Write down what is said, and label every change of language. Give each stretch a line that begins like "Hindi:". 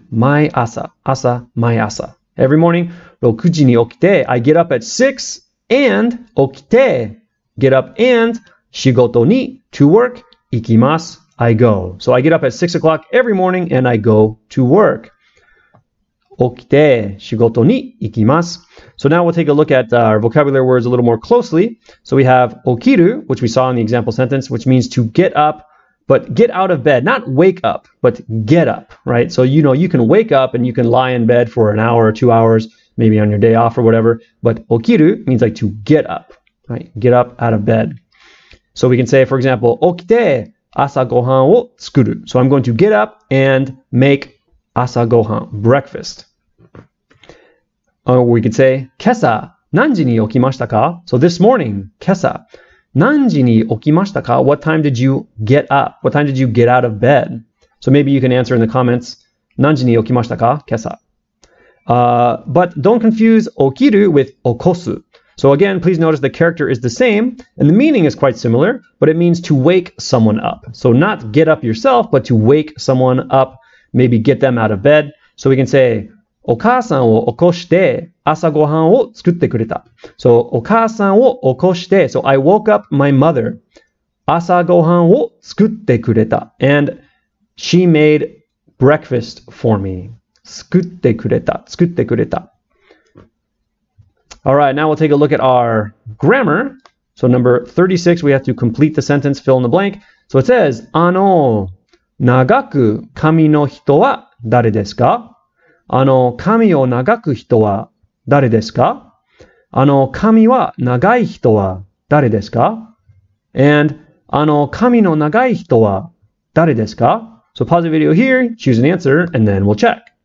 Japanese: 毎朝、朝、毎朝。
English: Every morning,
Japanese: 6時に起きて、
English: I get up at 6 and
Japanese: 起きて、
English: get up and
Japanese: 仕事に
English: to work
Japanese: 行きます。
English: I go. So I get up at 6 o'clock every morning and I go to work.
Japanese: 起きて仕事に行きます。
English: So now we'll take a look at our vocabulary words a little more closely. So we have 起きる, which we saw in the example sentence, which means to get up, but get out of bed. Not wake up, but get up, right? So, you know, you can wake up and you can lie in bed for an hour or 2 hours, maybe on your day off or whatever. But 起きる means like to get up, right? Get up out of bed. So we can say, for example,
Japanese: 起きて朝ごはんを作る.
English: So I'm going to get up and make 朝ごはん, breakfast. Or we could say,
Japanese: 今朝何時に起きましたか?
English: So this morning, 今朝何時に起きましたか? What time did you get up? What time did you get out of bed? So maybe you can answer in the comments,
Japanese: 何時に起きましたか?今朝.
English: But don't confuse 起きる with 起こす. So again, please notice the character is the same and the meaning is quite similar, but it means to wake someone up. So not get up yourself, but to wake someone up. Maybe get them out of bed. So we can say,
Japanese: お母さんを起こして朝ごはんを作ってくれた。
English: So,
Japanese: お母さんを起こして、
English: So, I woke up my mother.
Japanese: 朝ごはんを作ってくれた。
English: And she made breakfast for me.
Japanese: 作ってくれた。作ってくれた。
English: Alright, now we'll take a look at our grammar. So, number 36, we have to complete the sentence, fill in the blank. So, it says,
Japanese: あの、長く髪の人は誰ですか? あの、髪を長く人は誰ですか? あの、髪は長い人は誰ですか? And, あの、髪の長い人は誰ですか?
English: So pause the video here, choose an answer, and then we'll check.